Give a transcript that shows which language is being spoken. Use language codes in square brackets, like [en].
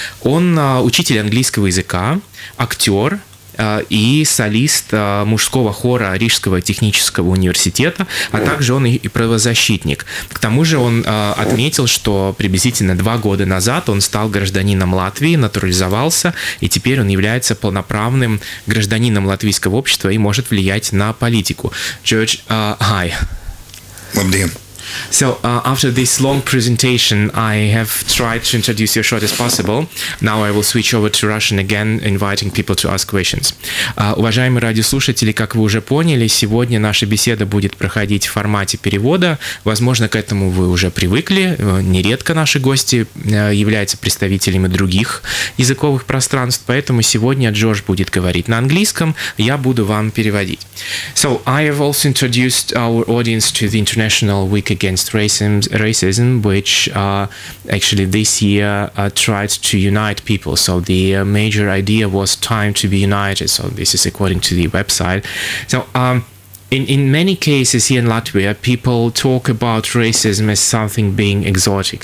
[ru] Он учитель английского языка, актер и солист мужского хора Рижского технического университета, а также он и правозащитник. К тому же он отметил, что приблизительно 2 года назад он стал гражданином Латвии, натурализовался, и теперь он является полноправным гражданином латвийского общества и может влиять на политику. Джордж, [en] hi. [lv] Labdien. [en] So, after this long presentation, I have tried to introduce you as short as possible. Now I will switch over to Russian again, inviting people to ask questions. [ru] Уважаемые радиослушатели, как вы уже поняли, сегодня наша беседа будет проходить в формате перевода. Возможно, к этому вы уже привыкли. Нередко наши гости являются представителями других языковых пространств, поэтому сегодня Джордж будет говорить на английском, я буду вам переводить. [en] So, I have also introduced our audience to the International Week Against Racism, which actually this year tried to unite people. So the major idea was time to be united. So this is according to the website. So in many cases here in Latvia, people talk about racism as something being exotic.